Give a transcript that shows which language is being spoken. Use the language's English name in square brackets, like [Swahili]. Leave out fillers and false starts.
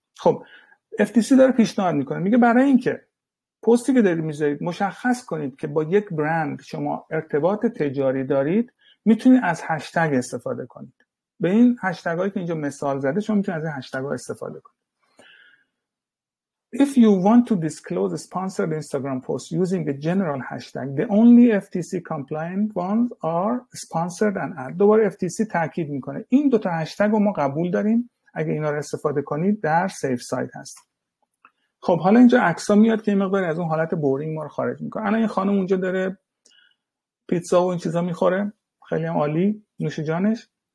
[Persian] خب FTC داره پیشنهاد میکنه، میگه برای اینکه پستی که دارید میذارید مشخص کنید که با یک برند شما ارتباط تجاری دارید، میتونید از هشتگ استفاده کنید. به این هشتگ هایی که اینجا مثال زده شما میتونید از این هشتگ ها استفاده کنید. [English] If you want to disclose a sponsored Instagram post using a general hashtag, the only FTC compliant ones are sponsored and ad. [Persian] دوباره FTC تاکید میکنه این دوتا هشتگ رو ما قبول داریم، اگه اینا رو استفاده کنید در سیف سایت هست. خب حالا اینجا عکس ها میاد که این مقدار از اون حالت بورینگ ما رو خارج میکنه. الان این خانم اونجا داره پیتزا و این چیزا میخوره، خیلی هم عالی، نوش جانش.